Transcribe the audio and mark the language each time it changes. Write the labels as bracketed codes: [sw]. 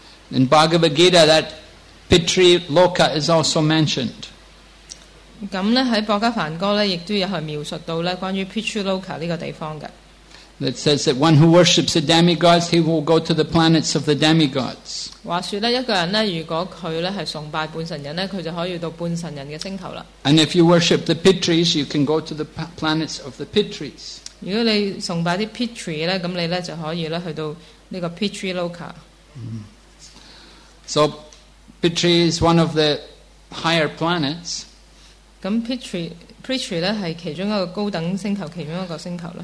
[en] In Bhagavad Gita, that Pitri Loka is also mentioned. [yue] 咁咧喺《博加梵歌》咧，亦都有去描述到咧关于 Pitri Loka 呢个地方嘅。 [en] It says that one who worships the demigods, he will go to the planets of the demigods. [yue] 话说咧，一个人咧，如果佢咧系崇拜半神人咧，佢就可以到半神人嘅星球啦。 [en] And if you worship the Pitris, you can go to the planets of the Pitris. [yue] 如果你崇拜啲 Pitri 咧，咁你咧就可以咧去到呢个 Pitri Loka。 [en] So, Pitri is one of the higher planets. [yue] Then Pitri, Preacher 咧係其中一個高等星球，其中一個星球啦。